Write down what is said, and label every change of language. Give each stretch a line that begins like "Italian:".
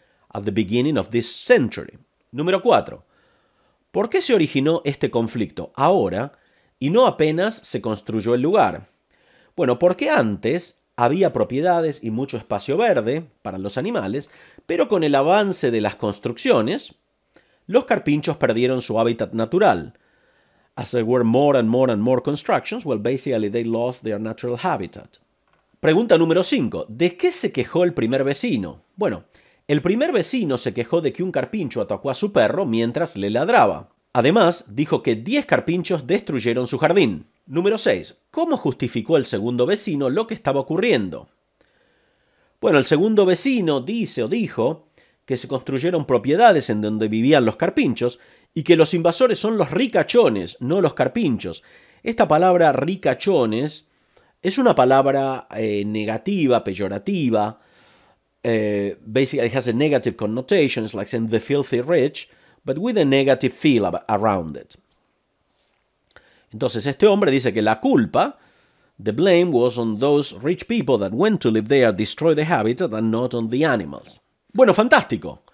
English: At the beginning of this century.
Spanish: Número 4. ¿Por qué se originó este conflicto ahora y no apenas se construyó el lugar? Bueno, porque antes había propiedades y mucho espacio verde para los animales, pero con el avance de las construcciones, los carpinchos perdieron su hábitat natural.
English: As there were more and more and more constructions, well, basically they lost their natural habitat.
Spanish: Pregunta número 5. ¿De qué se quejó el primer vecino? Bueno, el primer vecino se quejó de que un carpincho atacó a su perro mientras le ladraba. Además, dijo que 10 carpinchos destruyeron su jardín. Número 6. ¿Cómo justificó el segundo vecino lo que estaba ocurriendo? Bueno, el segundo vecino dice o dijo que se construyeron propiedades en donde vivían los carpinchos y que los invasores son los ricachones, no los carpinchos. Esta palabra ricachones es una palabra negativa, peyorativa.
English: Basically, it has a negative connotation, it's like saying the filthy rich, but with a negative feel around it.
Spanish: Entonces, este hombre dice que la culpa,
English: the blame was on those rich people that went to live there, destroyed the habitat, and not on the animals.
Spanish: Bueno, fantástico.